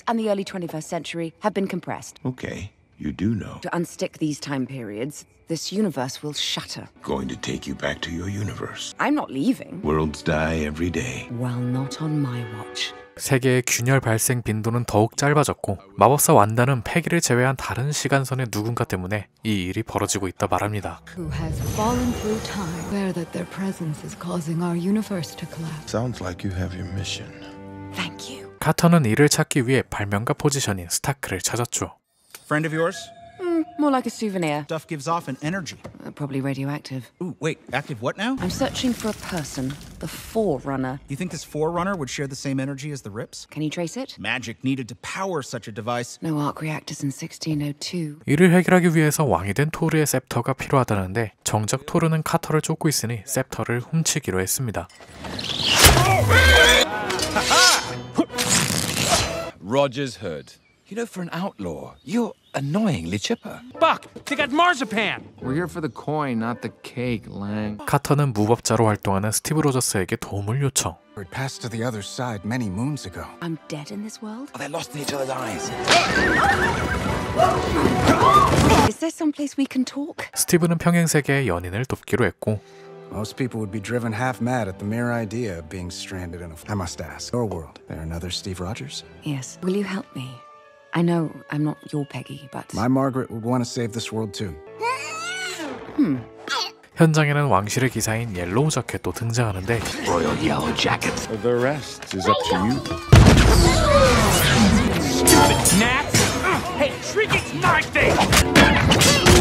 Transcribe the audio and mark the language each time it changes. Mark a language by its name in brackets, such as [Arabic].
[English] And the early 21st century have been compressed. Okay, you do know. To unstick these time periods, this universe will shatter. Going to take you back to your universe. I'm not leaving. Worlds die every day. Well, not on my watch. [Korean] 세계의 균열 발생 빈도는 더욱 짧아졌고 마법사 완다는 패기를 제외한 다른 시간선의 누군가 때문에 이 일이 벌어지고 있다 말합니다. [English] Who has fallen through time, aware that their presence is causing our universe to collapse. Sounds like you have your mission. Thank you. [Korean] 카터는 이를 찾기 위해 발명가 포지션인 스타크를 찾았죠. [English] Friend of yours? More like a souvenir. Stuff gives off an energy. Probably radioactive. Ooh, wait, active what now? I'm searching for a person, the Forerunner. You think this Forerunner would share the same energy as the Rips? Can you trace it? Magic needed to power such a device. No arc reactors in 1602. [Korean] 이를 해결하기 위해서 왕이 된 토르의 셉터가 필요하다는데 정작 토르는 카터를 쫓고 있으니 셉터를 훔치기로 했습니다. [English] Roger's heard. You know, for an outlaw, you're annoyingly chipper. Buck, they got marzipan. We're here for the coin, not the cake, Lang. [Korean] 카터는 무법자로 활동하는 스티브 로저스에게 도움을 요청. [English] We passed to the other side many moons ago. I'm dead in this world. Oh, they're lost in each other's eyes. Is there some place we can talk? [Korean] 스티브는 평행 세계의 연인을 돕기로 했고. [English] Most people would be driven half mad at the mere idea of being stranded in a. I must ask. Your world. There another Steve Rogers? Yes. Will you help me? I know I'm not your Peggy, but my Margaret would want to save this world too. [Korean] 현장에는 왕실의 기사인 옐로우 자켓도 등장하는데. [English] Royal yellow jacket. The rest is up to you. Stupid gnats! Hey, shriek it's my thing!